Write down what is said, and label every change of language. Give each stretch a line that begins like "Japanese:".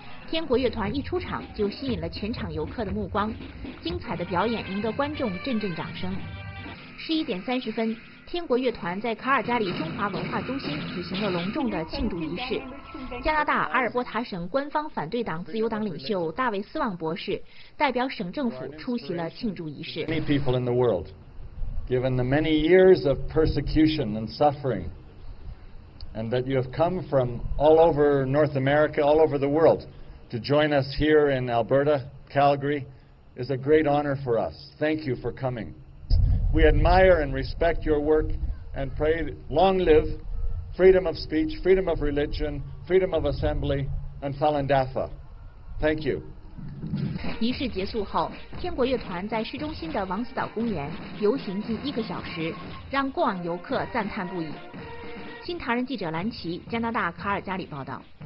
Chinese: 天国乐团一出场就吸引了全场游客的目光，精彩的表演赢得观众阵阵掌声。 11点30分，天国乐团在卡尔加里中华文化中心举行了隆重的庆祝仪式。加拿大阿尔伯塔省官方反对党自由党领袖大卫斯旺博士代表省政府出席了庆祝仪式。
English: Many people in the world, given the many years of persecution and suffering and that you have come from all over North America, all over the world, to join us here in Alberta, Calgary, is a great honor for us. Thank you for coming. We admire and respect your work and pray long live freedom of speech, freedom of religion, freedom of assembly, and Falun Dafa. Thank you.
Chinese: 仪式结束后，天国乐团在市中心的王子岛公园游行近一个小时，让过往游客赞叹不已。新唐人记者蓝琪，加拿大卡尔加里报道。